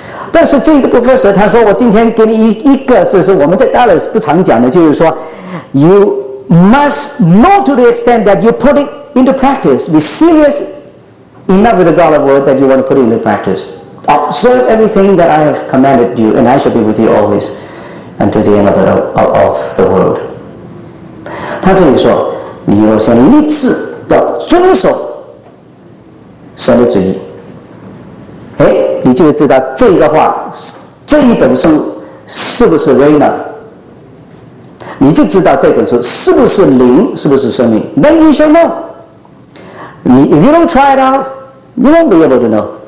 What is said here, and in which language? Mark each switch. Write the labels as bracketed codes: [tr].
[zh] 但是这个 [en] professor [zh] 他说我今天给你一个是我们在 [en] Dallas [zh] 不常讲的，就是说 [en] you must know to the extent that you put it into practice， be serious enough with the God of Word that you want to put it into practiceobserve everything that I have commanded you and I shall be with you always until the end of the world。 [zh] 他这里说你要先立志要遵守神的旨意，哎，你就知道这个话这一本书是不是 rhema， 你就知道这本书是不是灵，是不是生命。 [en] Then you shall know， 你 if you don't try it out you won't be able to know。